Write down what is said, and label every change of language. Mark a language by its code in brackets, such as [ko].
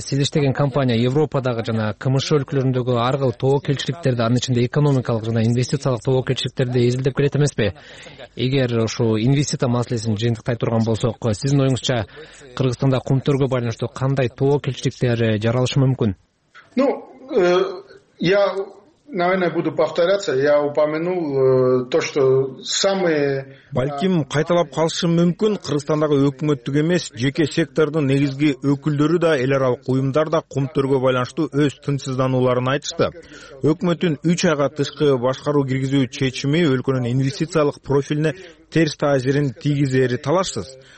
[ky] Сиз иштеген компания Европадагы жана КМШ өлкөлөрүндөгү ар кыл тобокелчиликтерди, анын ичинде экономикалык жана инвестициялык тобокелчиликтерди изилдеп келет эмеспи? Эгер ошо инвестиция маселесин жыйынтыктай турган болсок, сиздин оюңузча Кыргызстанда кумтөргө байланыштуу кандай тобокелчиликтер жаралышы мүмкүн? [ru] Ну, я, наверное, буду повторяться. Я упомянул то, что самые... [ky] Балким кайталап калышым мүмкүн, Кыргызстандагы өкмөттүк эмес, жеке сектордун негизги өкүлдөрү да, эл аралык уюмдар да кумтөргө байланыштуу өз тынчсыздануларын айтышты. Өкмөттүн 3 айга тышкы башкаруу киргизүү чечими өлкөнүн инвестициялык профилине терс таасирин тийгизери талашсыз.